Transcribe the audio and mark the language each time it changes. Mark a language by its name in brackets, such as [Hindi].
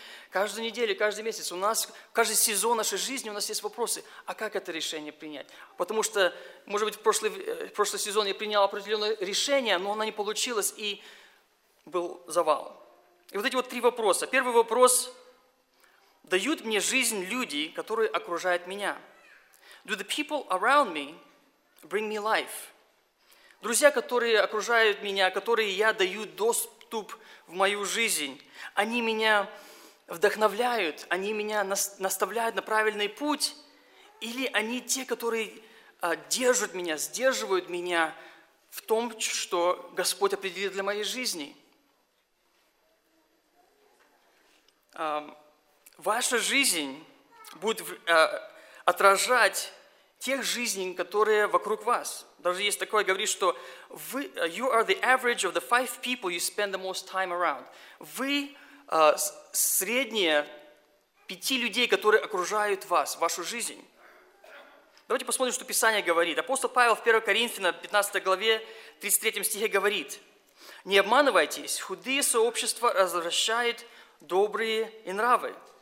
[Russian] Каждую неделю, каждый месяц у нас, каждый сезон нашей жизни у нас есть вопросы, а как это решение принять? Потому что, может быть, в прошлый сезон я принял определенное решение, но оно не получилось, и был завал. И вот эти вот три вопроса. Первый вопрос. Дают мне жизнь люди, которые окружают меня? [English] Do the people around me bring me life? [Russian] Друзья, которые окружают меня, которые я даю доступ в мою жизнь, они меня вдохновляют, они меня наставляют на правильный путь, или они те, которые держат меня, сдерживают меня в том, что Господь определил для моей жизни. Ваша жизнь будет отражать тех жизней, которые вокруг вас. Даже есть такое, говорит, что вы, [English] you are the average of the five people you spend the most time around. [Russian] Вы средние пяти людей, которые окружают вас, вашу жизнь. Давайте посмотрим, что Писание говорит. Апостол Павел в 1 Коринфянам 15 главе 33 стихе говорит: «Не обманывайтесь, худые сообщества развращают добрые и нравы».